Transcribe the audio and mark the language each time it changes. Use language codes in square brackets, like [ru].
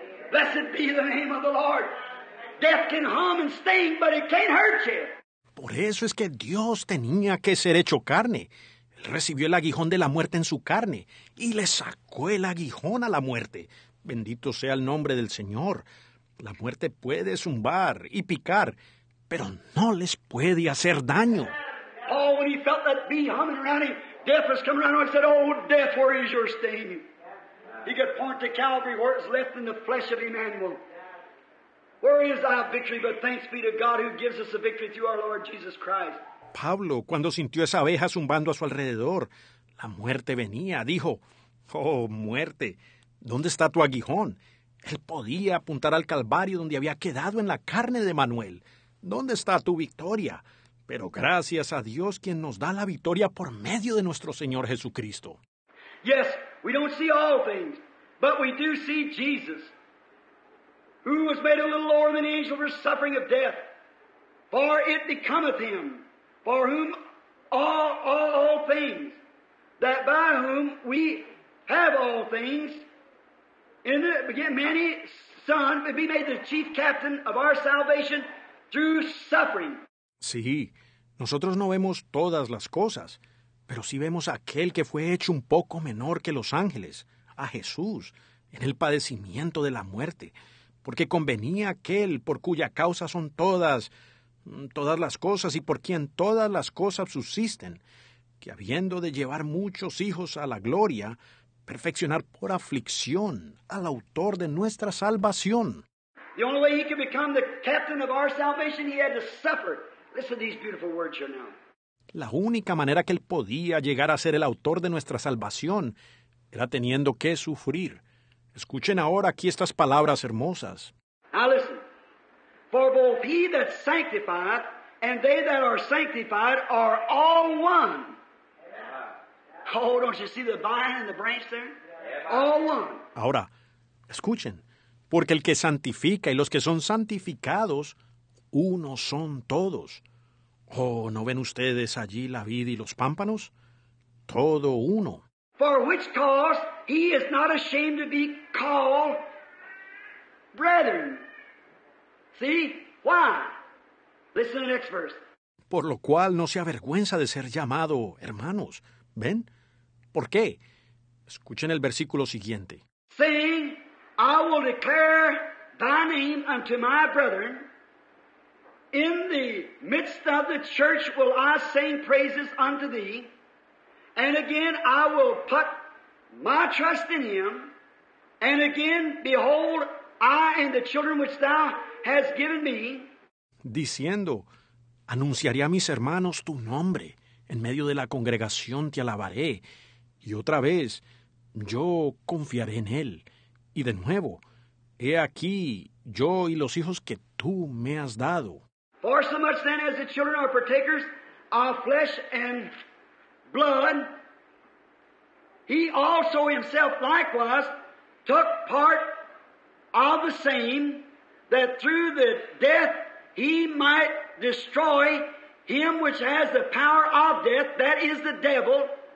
[en] Blessed be the name of the Lord. Death can hum and sting, but it can't hurt you. [es] Por eso es que Dios tenía que ser hecho carne. Él recibió el aguijón de la muerte en su carne y le sacó el aguijón a la muerte. Bendito sea el nombre del Señor. La muerte puede zumbar y picar, pero no les puede hacer daño. [en] Oh, when he felt that bee humming around him, death was coming around him. He said, oh, death, where is your sting? He could point to Calvary where it's left in the flesh of Emmanuel. Where is our victory? But thanks be to God who gives us the victory through our Lord Jesus Christ. [es] Pablo, cuando sintió esa abeja zumbando a su alrededor, la muerte venía. Dijo, oh, muerte, ¿dónde está tu aguijón? Él podía apuntar al Calvario donde había quedado en la carne de Manuel. ¿Dónde está tu victoria? Pero gracias a Dios quien nos da la victoria por medio de nuestro Señor Jesucristo. [en] Yes, we don't see all things, but we do see Jesus, who was made a little lower than angel for suffering of death, for it becometh him. For whom all things, that by whom we have all things, in the beginning, many son be made the chief captain of our salvation through suffering. [es] Sí, nosotros no vemos todas las cosas, pero sí vemos a aquel que fue hecho un poco menor que los ángeles, a Jesús, en el padecimiento de la muerte, porque convenía aquel por cuya causa son todas las cosas y por quien todas las cosas subsisten, que habiendo de llevar muchos hijos a la gloria, perfeccionar por aflicción al autor de nuestra salvación. [en] The only way he could become the captain of our salvation, he had to suffer. Listen to these beautiful words here now. [es] La única manera que él podía llegar a ser el autor de nuestra salvación era teniendo que sufrir. Escuchen ahora aquí estas palabras hermosas. [en] Now listen. For both he that sanctifieth and they that are sanctified are all one. Oh, don't you see the vine and the branch there? All one. [es] Ahora, escuchen. Porque el que santifica y los que son santificados, uno son todos. Oh, ¿no ven ustedes allí la vid y los pámpanos? Todo uno. [en] For which cause he is not ashamed to be called brethren. See? Why? Listen to the next verse. [es] Por lo cual no se avergüenza de ser llamado hermanos. ¿Ven? ¿Por qué? Escuchen el versículo siguiente. [en] Saying, I will declare thy name unto my brethren. In the midst of the church will I sing praises unto thee. And again I will put my trust in him. And again, behold, I and the children which thou has given me. [es] Diciendo, anunciaré a mis hermanos tu nombre. En medio de la congregación te alabaré. Y otra vez, yo confiaré en él. Y de nuevo, he aquí yo y los hijos que tú me has dado. [en] For so much then as the children are partakers of flesh and blood, he also himself likewise took part of the same, that through the death he might destroy him which has the power of death, that is the devil,